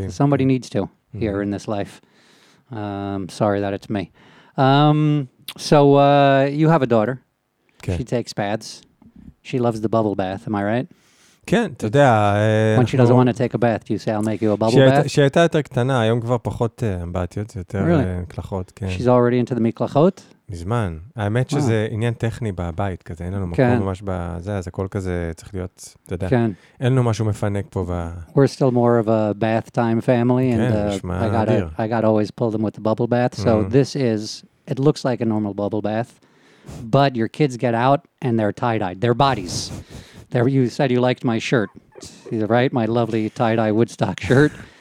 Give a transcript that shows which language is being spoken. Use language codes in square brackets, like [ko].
[en] Somebody needs to here in this life. Sorry that it's me. So you have a daughter. [he] כן. [en] She takes baths. She loves the bubble bath, am I right? [he] כן, אתה יודע. [en] When she doesn't want to take a bath, do you say, I'll make you a bubble bath? [he] שהייתה יותר קטנה, היום כבר פחות אמבטיות, יותר מקלחות. [en] She's already into the מקלחות? [he] מזמן. האמת שזה עניין טכני בבית כזה, אין לנו מקום ממש בזה, אז הכל כזה צריך להיות, אתה יודע, אין לנו משהו מפנק פה. [en] We're still more of a bath time family, and I got to always pull them with the bubble bath, so this is, it looks like a normal bubble bath, but your kids get out and they're tie-dyed, their bodies. You said you liked my shirt, right? My lovely tie-dye Woodstock shirt.